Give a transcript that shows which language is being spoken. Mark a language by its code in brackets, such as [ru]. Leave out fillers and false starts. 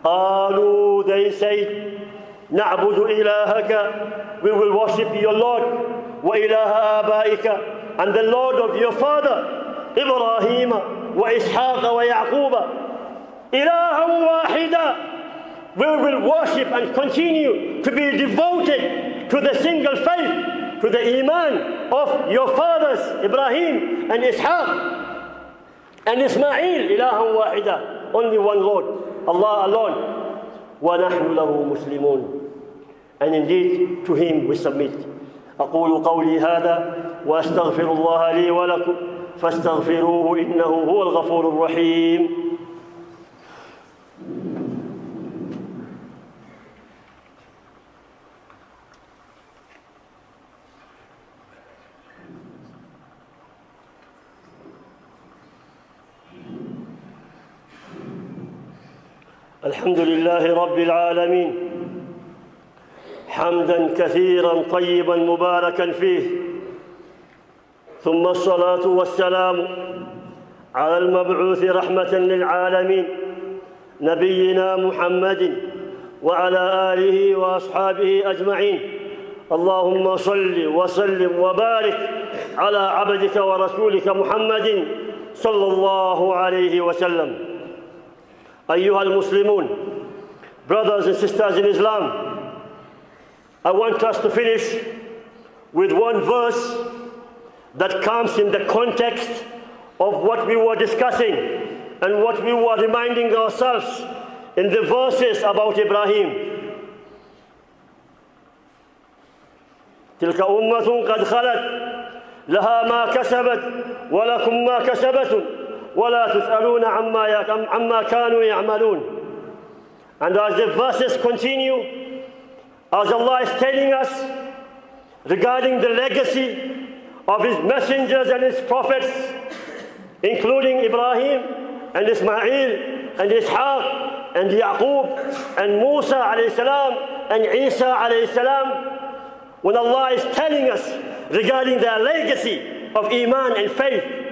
[ar] قالوا, [en] they said, [ar] نعبد إلهك, [en] we will worship your Lord, [ar] وإله آبائك, [en] and the Lord of your father, إبراهيم وإسحاق ويعقوب, [ar] إلها واحدا, [en] we will worship and continue to be devoted to the single faith, to the Iman of your fathers, Ibrahim and Ishaq and Ismail, [ar] إلها واحدا, [en] only one Lord, Allah alone, [ar] ونحن له مسلمون, [en] and indeed to him we submit. [ar] أقول قولي هذا وأستغفر الله لي ولكم فاستغفروه إنه هو الغفور الرحيم. الحمد لله رب العالمين, حمدا كثيرا طيبا مباركا فيه, ثم الصلاة والسلام على المبعوث رحمة للعالمين نبينا محمد وعلى آله وأصحابه أجمعين. اللهم صل وسلم وبارك على عبدك ورسولك محمد صلى الله عليه وسلم. أيها المسلمون, [en] brothers and sisters in Islam, I want us to finish with one verse that comes in the context of what we were discussing and what we were reminding ourselves in the verses about Ibrahim. [ar] تلك أمة قد خلت لها ما كسبت ولكم ما كسبتم ولا تسألون عما كانوا يعملون. [en] And as the verses continue, as Allah is telling us regarding the legacy of His messengers and His prophets, including Ibrahim and Ismail and Ishaq and Yaqub and Musa alayhi salam and Isa alayhi salam, when Allah is telling us regarding their legacy of Iman and faith,